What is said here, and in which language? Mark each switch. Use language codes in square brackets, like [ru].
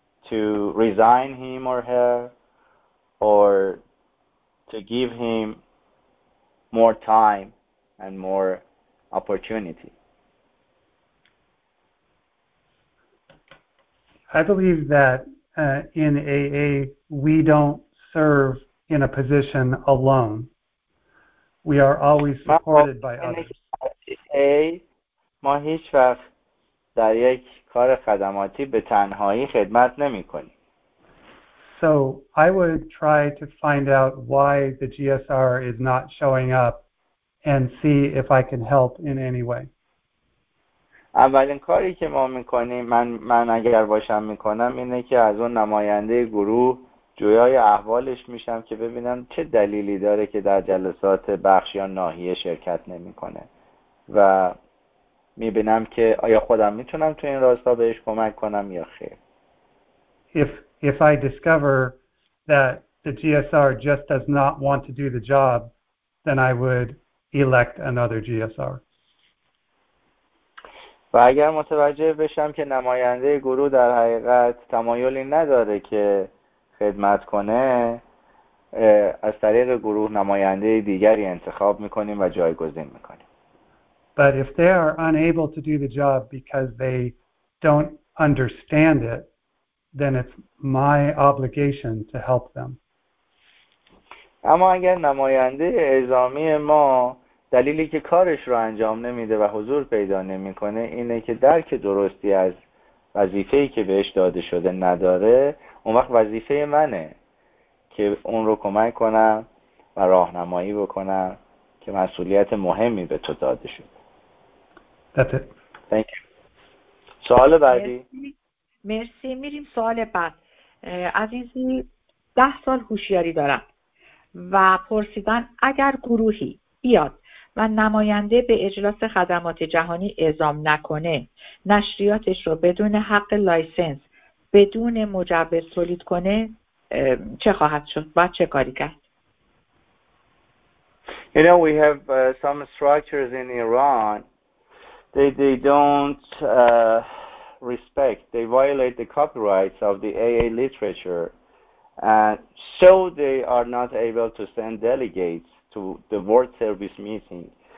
[en] To resign him or her, or to give him more time and more opportunity? I believe that in AA, we don't serve in a position alone. We are always supported by others. [fa] AA, ما هیچ وقت در یک کار خدماتی به تنهایی خدمت نمی کنیم. [en] So I would try to find out why the GSR is not showing up and see if I can help in any way. [fa] اولین کاری که ما میکنیم، من اگر باشم میکنم، اینه که از اون نماینده گروه جویای احوالش میشم که ببینم چه دلیلی داره که در جلسات بخش یا ناحیه شرکت نمیکنه و میبینم که آیا خودم میتونم تو این راستا بهش کمک کنم یا خیر. [en] If I discover that the GSR just does not want to do the job, then I would elect another GSR. [fa] و اگر متوجه بشم که نماینده گروه در حقیقت تمایلی نداره که خدمت کنه، از طریق گروه نماینده دیگری انتخاب میکنیم و جایگزین میکنیم. [en] But if they are unable to do the job because they don't understand it, then it's my obligation to help them. [fa] اما اگر نماینده اعزامی ما دلیلی که کارش رو انجام نمیده و حضور پیدا نمیکنه اینه که درک درستی از وظیفه‌ای که بهش داده شده نداره، اون وقت وظیفه منه که اون رو کمک کنم و راهنمایی بکنم که مسئولیت مهمی به تو داده شده. [en] That's it. Thank you. [fa] سوال بعدی. مرسی. میریم سوال بعد. عزیزی 10 سال هوشیاری دارم و پرسیدن اگر گروهی بیاد و نماینده به اجلاس خدمات جهانی اعزام نکنه، نشریاتش رو بدون حق لایسنس، بدون مجوز تولید کنه، چه خواهد شد؟ باید چه کاری کرد؟ [en] You know, we have some structures in Iran. They don't respect, they violate the copyrights of the AA literature, and so they are not able to send delegates to the ward service meeting.